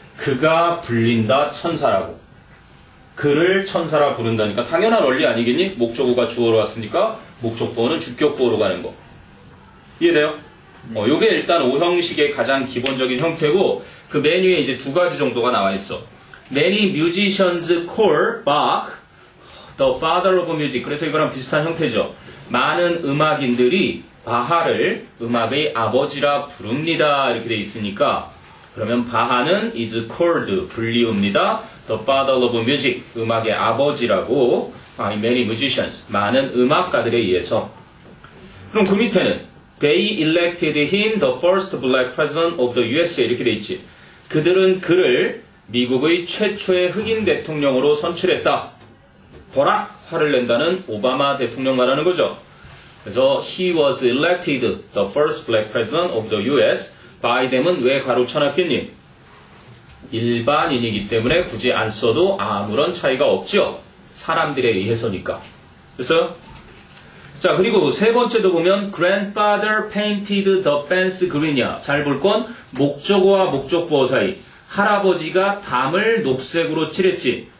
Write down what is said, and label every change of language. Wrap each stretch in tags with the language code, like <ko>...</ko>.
<ko>그가 불린다 천사라고. 그를 천사라 부른다니까 당연한 원리 아니겠니? 목적어가 주어로 왔으니까 목적부어는 주격부어로 가는 거. 이해돼요? 네. 요게 일단 오형식의 가장 기본적인 형태고, 그 맨 위에 이제 두 가지 정도가 나와 있어.</ko> <en>Many musicians call Bach the father of music.</en> <ko>그래서 이거랑 비슷한 형태죠. 많은 음악인들이 바하를 음악의 아버지라 부릅니다. 이렇게 돼 있으니까, 그러면 바하는</ko> <en>is called,</en> <ko>불리웁니다.</ko> <en>The father of music,</en> <ko>음악의 아버지라고.</ko> <en>Many musicians,</en> <ko>많은 음악가들에 의해서. 그럼 그 밑에는</ko> <en>They elected him the first black president of the USA,</en> <ko>이렇게 돼 있지. 그들은 그를 미국의 최초의 흑인 대통령으로 선출했다. 보라! 화를 낸다는 오바마 대통령 말하는 거죠.</ko> <en>그래서 He was elected the first black president of the US. By them</en> <ko>은 왜 가로 쳐놨겠니? 일반인이기 때문에 굳이 안 써도 아무런 차이가 없죠. 사람들에 의해서니까. 됐어요? 자, 그리고 세 번째도 보면</ko> <en>Grandfather painted the fence green</en> <ko>이야. 잘 볼 건 목적어와 목적부어 사이. 할아버지가 담을 녹색으로 칠했지.</ko>